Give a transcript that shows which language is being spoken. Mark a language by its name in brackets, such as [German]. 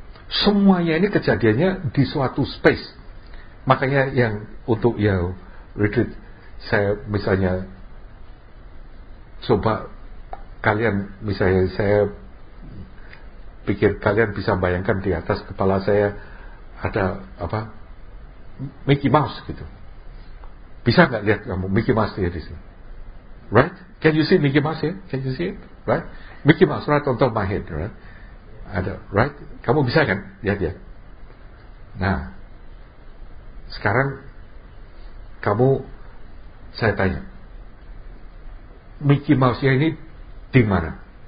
[Indonesian] Semuanya ini kejadiannya di suatu space. Makanya yang untuk ya retreat saya misalnya coba kalian misalnya saya pikir kalian bisa bayangkan di atas kepala saya ada apa Mickey Mouse gitu. Bisa enggak lihat kamu Mickey Mouse dia di sini? [English] Right? Can you see Mickey Mouse here? Can you see it? Right? Mickey Mouse right on top of my head, right? [Indonesian] Ada, [English] right? [Indonesian] Kamu bisa kan lihat ya? Nah, sekarang kamu saya tanya Mickey Mouse ya ini di mana?